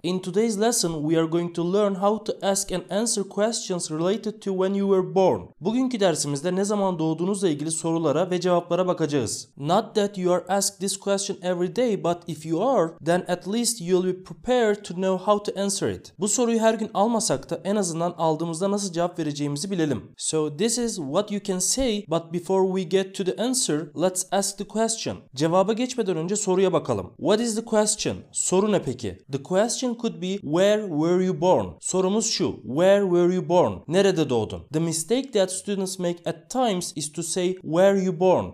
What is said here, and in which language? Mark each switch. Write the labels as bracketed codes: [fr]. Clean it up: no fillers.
[en] In today's lesson, we are going to learn how to ask and answer questions related to when you were born. [tr] Bugünkü dersimizde ne zaman doğduğunuzla ilgili sorulara ve cevaplara bakacağız. [en] Not that you are asked this question every day, but if you are, then at least you'll be prepared to know how to answer it. [tr] Bu soruyu her gün almasak da en azından aldığımızda nasıl cevap vereceğimizi bilelim. [en] So this is what you can say, but before we get to the answer, let's ask the question. [tr] Cevaba geçmeden önce soruya bakalım. [en] What is the question? [tr] Soru ne peki? [en] The question could be where were you born? [tr] Sorumuz şu. [en] Where were you born? [tr] Nerede doğdun? [en] The mistake that students make at times is to say where you born.